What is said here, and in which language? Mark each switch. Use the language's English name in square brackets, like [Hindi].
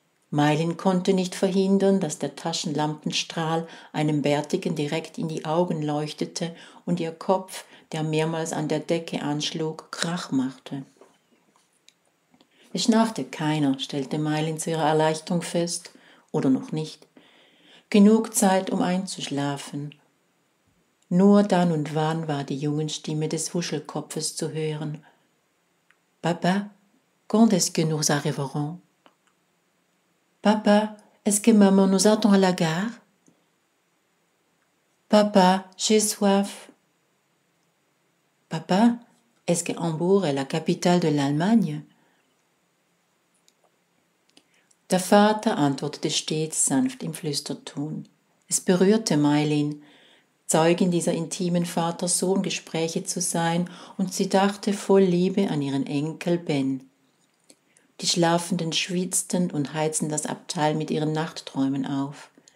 [German] Mylin konnte nicht verhindern, dass der Taschenlampenstrahl einem Bärtigen direkt in die Augen leuchtete und ihr Kopf, der mehrmals an der Decke anschlug, Krach machte. Es schnarchte keiner, stellte Mylin zu ihrer Erleichterung fest, oder noch nicht. Genug Zeit, um einzuschlafen. Nur dann und wann war die junge Stimme des Wuschelkopfes zu hören. [French] Papa, quand est-ce que nous arriverons? Papa, est-ce que maman nous attend à la gare? Papa, j'ai soif. Papa, est-ce que Hambourg est la capitale de l'Allemagne? [German] Der Vater antwortete stets sanft im Flüsterton. Es berührte Mylin, Zeugin dieser intimen Vater-Sohn-Gespräche zu sein, und sie dachte voll Liebe an ihren Enkel Ben. Die Schlafenden schwitzten und heizten das Abteil mit ihren Nachtträumen auf.